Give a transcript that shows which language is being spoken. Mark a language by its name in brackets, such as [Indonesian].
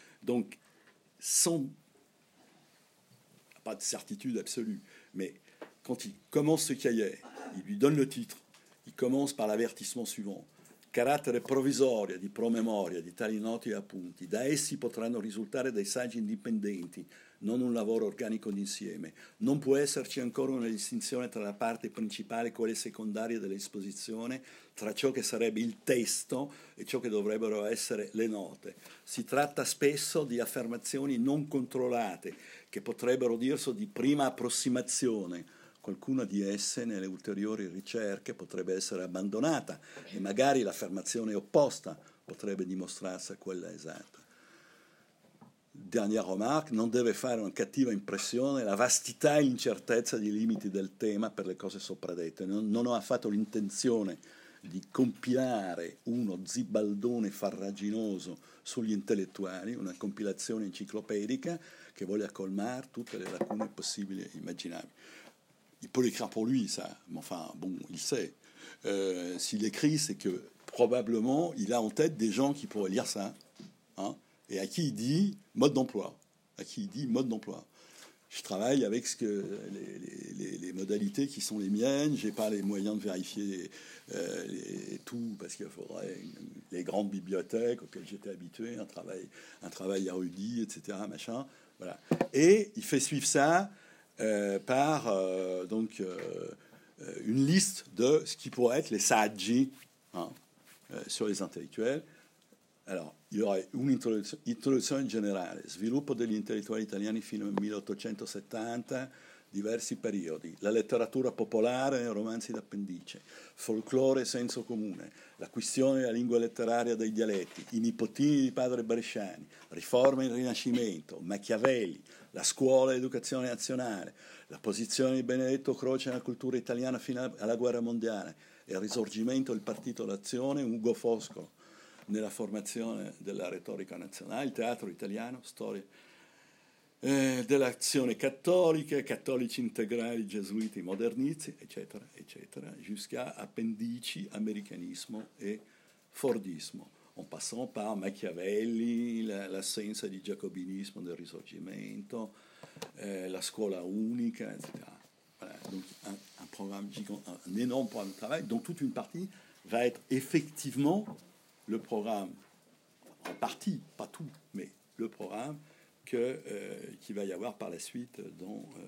[French] Donc, sans, pas de certitude absolue, mais quand il commence ce cahier, il lui donne le titre, il commence par l'avertissement suivant. [Italian] Carattere provvisorio di promemoria di tali noti e appunti, da essi potranno risultare dei saggi indipendenti, non un lavoro organico d'insieme. Non può esserci ancora una distinzione tra la parte principale e quelle secondarie dell'esposizione, tra ciò che sarebbe il testo e ciò che dovrebbero essere le note. Si tratta spesso di affermazioni non controllate, che potrebbero dirsi di prima approssimazione. Qualcuna di esse nelle ulteriori ricerche potrebbe essere abbandonata e magari l'affermazione opposta potrebbe dimostrarsi quella esatta. [French] Dernière remarque, [Italian] non deve fare una cattiva impressione la vastità e l'incertezza dei limiti del tema per le cose sopra dette. Non ho affatto l'intenzione di compilare uno zibaldone farraginoso sugli intellettuali, una compilazione enciclopedica che voglia colmare tutte le lacune possibili e immaginabili. [French] Il peut l'écrire pour lui, ça. Mais enfin, bon, il sait. S'il écrit, c'est que probablement, il a en tête des gens qui pourraient lire ça. Hein, et à qui il dit mode d'emploi. Je travaille avec ce que les modalités qui sont les miennes. J'ai pas les moyens de vérifier tout parce qu'il faudrait les grandes bibliothèques auxquelles j'étais habitué, un travail érudit, etc. Machin. Voilà. Et il fait suivre ça par une liste de ce qui pourrait être les saadji, hein, sur les intellectuels. Alors, il y aurait une [Italian] introduzione generale, sviluppo degli intellettuali italiani fino al 1870, diversi periodi, la letteratura popolare, romanzi d'appendice, folklore e senso comune, la questione della lingua letteraria dei dialetti, i nipotini di padre Bresciani, riforme del Rinascimento, Machiavelli, la scuola e l'educazione nazionale, la posizione di Benedetto Croce nella cultura italiana fino alla guerra mondiale, il risorgimento del partito d'azione, Ugo Foscolo, nella formazione della retorica nazionale, il teatro italiano, storia dell'azione cattolica, cattolici integrali, gesuiti, modernisti, eccetera, eccetera, [French] jusqu'à [Italian] appendici, americanismo e fordismo, [French] en passant par [Italian] Machiavelli, l'assenza di giacobinismo del risorgimento, la scuola unica, eccetera. [French] Voilà, donc un programme gigante, un énorme programme de travail, dont toute une partie va être effectivement le programme, en partie, pas tout, mais le programme qui va y avoir par la suite dans